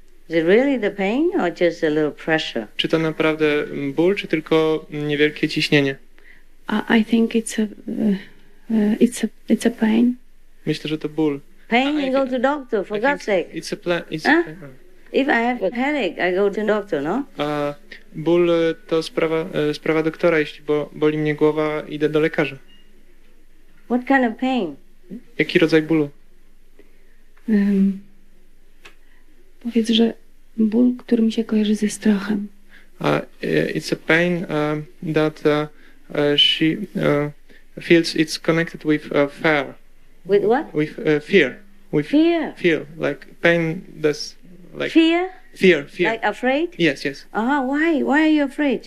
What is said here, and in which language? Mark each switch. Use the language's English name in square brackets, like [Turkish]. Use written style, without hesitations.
[English] Is it really the pain or just a little pressure? [Polish] Czy to naprawdę ból, czy tylko niewielkie ciśnienie? [English] I think it's a pain. [Polish] Myślę, że to ból. [English] Pain, you go to doctor, for God's sake. If I have a headache, I go to doctor, no? [Polish] Ból to sprawa doktora, jeśli boli mnie głowa, idę do lekarza. [English] What kind of pain? [Polish] Jaki rodzaj bólu? Powiedz, że ból, który mi się kojarzy ze strachem. [English] It's a pain that she feels it's connected with fear. With what? With fear. With fear. Fear, like pain that's like fear. Fear, fear. Like afraid? Yes, yes. Aha, why? Why are you afraid?